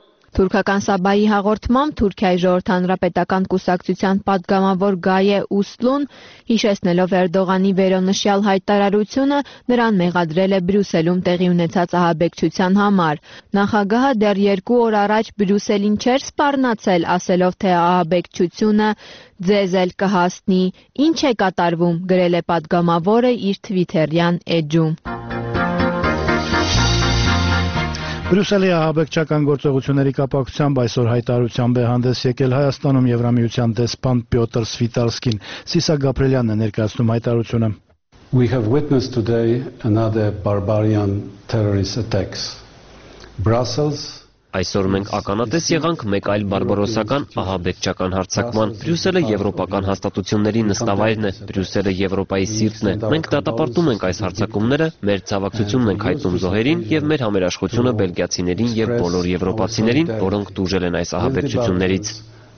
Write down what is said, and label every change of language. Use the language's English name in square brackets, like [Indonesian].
[Armenian] Թուրքական Սաբայի հաղորդմամբ Թուրքիայի ժողովրդի հանրապետական կուսակցության պատգամավոր Գայե Ուստլուն, հիշեցնելով Էրդողանի վերոնշյալ հայտարարությունը, նրան մեղադրել է Բրյուսելում տեղի ունեցած ահաբեկչության համար։ Նախագահը դեռ 2 օր առաջ Բրյուսելին չէր սպառնացել, ասելով, թե ահաբեկչությունը ձեզ էլ կհասնի։ Ինչ է կատարվում, գրել է պատգամավորը իր Թվիտերյան էջում։ Բրյուսելի ահաբեկչական գործողությունների կապակցությամբ այսօր հայտարարությամբ է հանդես եկել Հայաստանում Եվրամիության դեսպան Պյոտր Սվիտալսկին։ Սիսակ Գաբրելյանն է ներկայացնում հայտարարությունը։ [English] We have witnessed today another barbarian terrorist attacks. Brussels. [Armenian] Այսօր մենք ականատես եղանք մեկ այլ բարբարոսական ահաբեկչական հարձակման։ Բրյուսելը եվրոպական հաստատությունների նստավայրն է, Բրյուսելը Եվրոպայի սիրտն է։ Մենք դատապարտում ենք այս հարձակումները, մեր ցավակցությունն ենք հայտնում զոհերին եւ մեր համերաշխությունը բելգիացիներին եւ բոլոր եվրոպացիներին, որոնք տուժել են այս